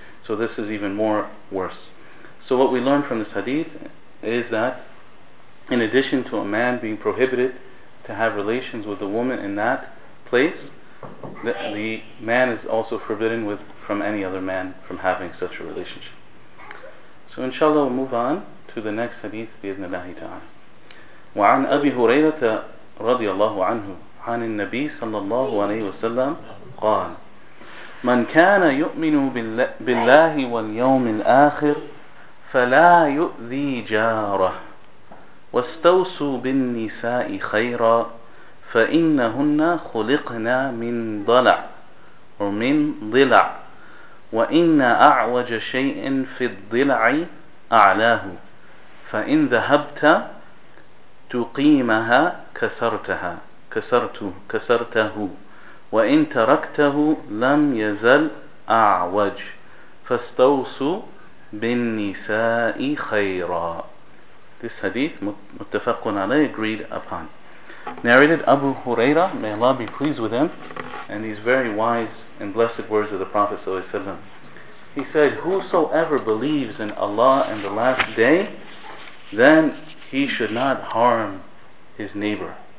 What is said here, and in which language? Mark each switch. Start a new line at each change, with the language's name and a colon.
English: So this is even more worse. So what we learn from this hadith is that in addition to a man being prohibited to have relations with a woman in that place, the man is also forbidden with from any other man from having such a relationship. So inshallah we'll move on to the next hadith bi-idhnillahi ta'ala.
Arabic: وعن أبي هريرة رضي الله عنه عن النبي صلى الله عليه وسلم قال من كان يؤمن بالله واليوم الآخر فلا يؤذي جاره واستوصوا بالنساء خيرا فإنهن خلقنا من ضلع ومن ضلع وإن أعوج شيء في الضلع أعلاه فإن ذهبت تقيمها كسرتها كسرته وإن تركته لم يزل أعوج فاستوصوا بالنساء خيرا.
English: This hadith muttafaqun alayh, agreed upon. Narrated Abu Huraira, may Allah be pleased with him, and these very wise and blessed words of the Prophet sallallahu alayhi wa sallam. He said, whosoever believes in Allah and the last day, then he should not harm his neighbor.